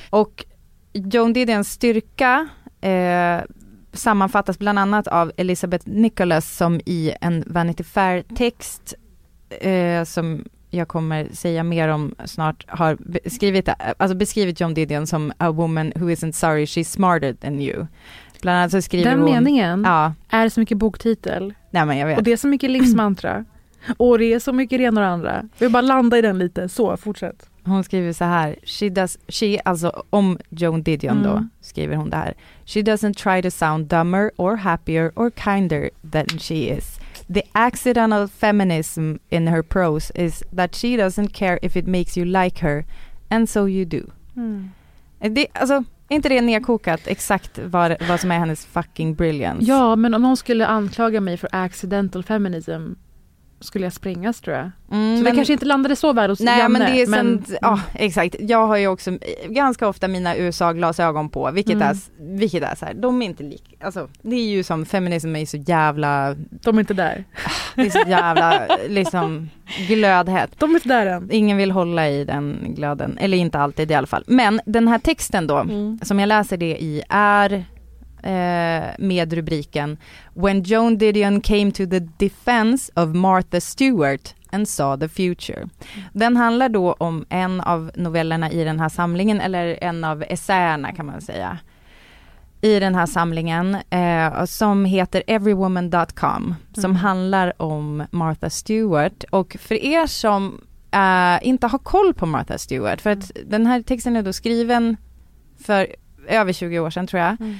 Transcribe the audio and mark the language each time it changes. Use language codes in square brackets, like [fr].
[sv] Och Joan Didions styrka sammanfattas bland annat av Elizabeth Nicholas som i en Vanity Fair-text som jag kommer säga mer om snart har beskrivit Joan Didion som [en] a woman who isn't sorry, she's smarter than you. [sv] Bland annat så skriver den hon... Den meningen är så mycket boktitel. Nej, men jag vet. Och det är så mycket livsmantra. Och det är så mycket ren och andra. Vi bara landa i den lite. Så, fortsätt. Hon skriver så här. Om Joan Didion då, skriver hon det här. [en] She doesn't try to sound dumber or happier or kinder than she is. The accidental feminism in her prose is that she doesn't care if it makes you like her. And so you do. Mm. [sv] Inte det nedkokat exakt vad som är hennes fucking brilliance. Ja, men om någon skulle anklaga mig för accidental feminism skulle jag springas, tror jag. Mm, så det kanske inte landade så väl hos Janne. Exakt. Jag har ju också ganska ofta mina USA-glasögon på, vilket är så här. De är inte lika. Alltså, det är ju som feminism är så jävla... De är inte där. Det är så jävla liksom glödhet. De är inte där än. Ingen vill hålla i den glöden. Eller inte alltid i alla fall. Men den här texten då, som jag läser det i, är... med rubriken [en] When Joan Didion came to the defense of Martha Stewart and saw the future. [sv] Den handlar då om en av novellerna i den här samlingen, eller en av essäerna kan man säga i den här samlingen, som heter Everywoman.com, som handlar om Martha Stewart. Och för er som inte har koll på Martha Stewart, för att den här texten är då skriven för över 20 år sedan, tror jag.